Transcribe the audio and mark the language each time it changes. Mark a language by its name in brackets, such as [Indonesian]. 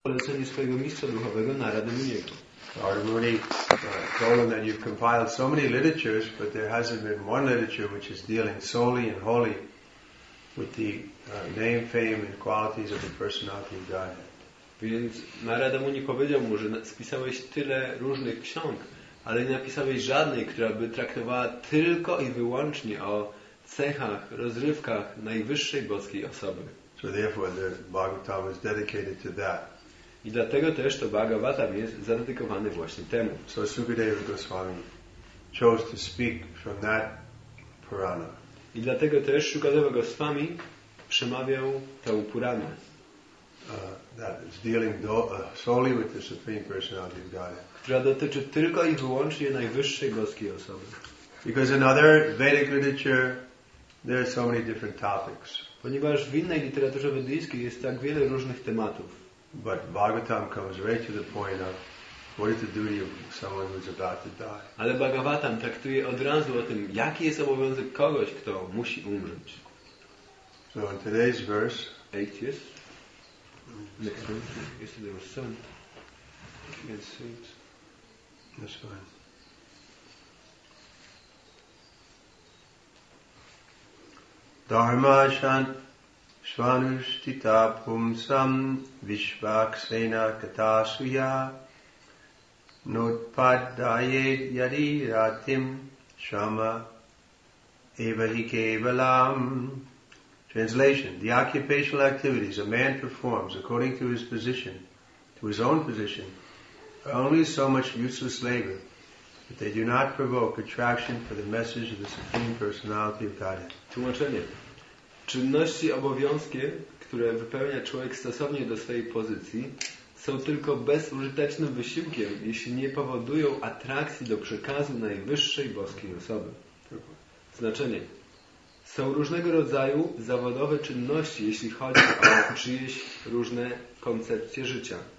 [Polish] polecenie swojego mistrza duchowego na radę u niego. [English] Lord, we already told him that you've compiled so many literatures, but there hasn't been one literature which is dealing solely and wholly with the name, fame and qualities of the personality of Godhead. [Polish] Więc Narada Muni powiedział mu, że spisałeś tyle różnych ksiąg, ale nie napisałeś żadnej, która by traktowała tylko i wyłącznie o cechach, rozrywkach najwyższej boskiej osoby. [English] So therefore the Bhagavatam is dedicated to that. [Polish] I dlatego też to Bhagavatam jest zadedykowany właśnie temu. [English] So Sukadeva Goswami chose to speak from that Purana. [Polish] I dlatego też Sukadeva Goswami przemawiał tę Puranę. [English] That is dealing solely with the Supreme Personality of Godhead. [Polish] Która dotyczy tylko i wyłącznie najwyższej boskiej osoby. [English] Because in other Vedic literature there are so many different topics. [Polish] Ponieważ w innej literaturze wedyjskiej jest tak wiele różnych tematów. [English] But Bhagavatam comes right to the point of what is the duty of someone who is about to die. [Polish] Ale Bhagavatam traktuje od razu o tym, jaki jest obowiązek kogoś, kto musi umrzeć. [English] So in today's verse, 8th, next one, yesterday was 7th, it's 8th, that's fine. [Sanskrit] Dharma shant svanushtita pumsam vishvaksena katasuya notpadaye yari ratim shama evahi kevalam. [English] Translation: the occupational activities a man performs according to his position, to his own position, are only so much useless labor that they do not provoke attraction for the message of the Supreme Personality of Godhead. [Polish] Tłumaczenie. Czynności obowiązkie, które wypełnia człowiek stosownie do swojej pozycji, są tylko bezużytecznym wysiłkiem, jeśli nie powodują atrakcji do przekazu najwyższej boskiej osoby. Znaczenie. Są różnego rodzaju zawodowe czynności, jeśli chodzi o czyjeś różne koncepcje życia.